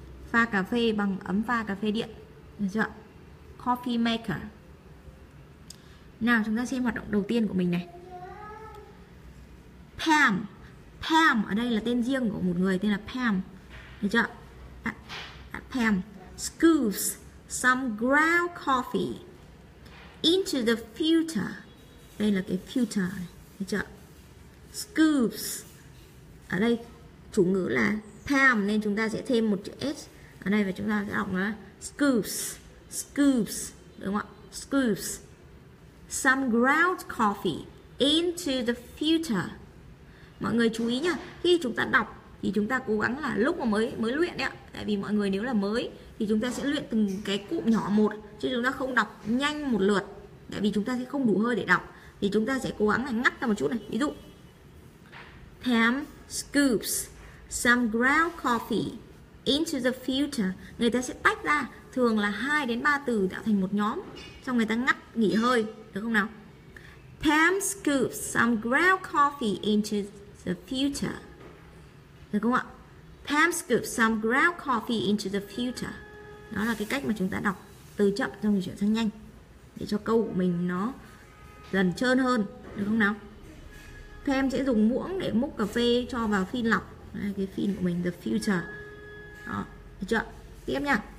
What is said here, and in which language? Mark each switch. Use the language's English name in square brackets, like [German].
[Vietnamese] Pha cà phê bằng ấm pha cà phê điện, được chưa? Coffee maker. Nào chúng ta xem hoạt động đầu tiên của mình này. Pam, Pam ở đây là tên riêng của một người tên là Pam, được chưa? [English] Pam scoops some ground coffee into the filter. [Vietnamese] Đây là cái filter này, được chưa? Scoops ở đây chủ ngữ là Pam nên chúng ta sẽ thêm một chữ s ở đây và chúng ta sẽ đọc nó scoops, scoops, đúng không ạ? [English] Scoops some ground coffee into the filter. [Vietnamese] Mọi người chú ý nhá, khi chúng ta đọc thì chúng ta cố gắng là lúc mà mới luyện đấy ạ, tại vì mọi người nếu là mới thì chúng ta sẽ luyện từng cái cụm nhỏ một, chứ chúng ta không đọc nhanh một lượt, tại vì chúng ta sẽ không đủ hơi để đọc, thì chúng ta sẽ cố gắng là ngắt ra một chút này. Ví dụ [English] Pam scoops some ground coffee into the filter, [Vietnamese] người ta sẽ tách ra thường là 2 đến 3 từ tạo thành một nhóm, xong người ta ngắt nghỉ hơi, được không nào? [English] Pam scoops some ground coffee into the filter, [Vietnamese] được không ạ? [English] Pam scoops some ground coffee into the filter. [Vietnamese] Đó là cái cách mà chúng ta đọc từ chậm trong chuyển sang nhanh để cho câu của mình nó dần trơn hơn, được không nào? Pam sẽ dùng muỗng để múc cà phê cho vào phin lọc. Đây, cái phin của mình, the filter. Đó, được chưa? Tiếp nha.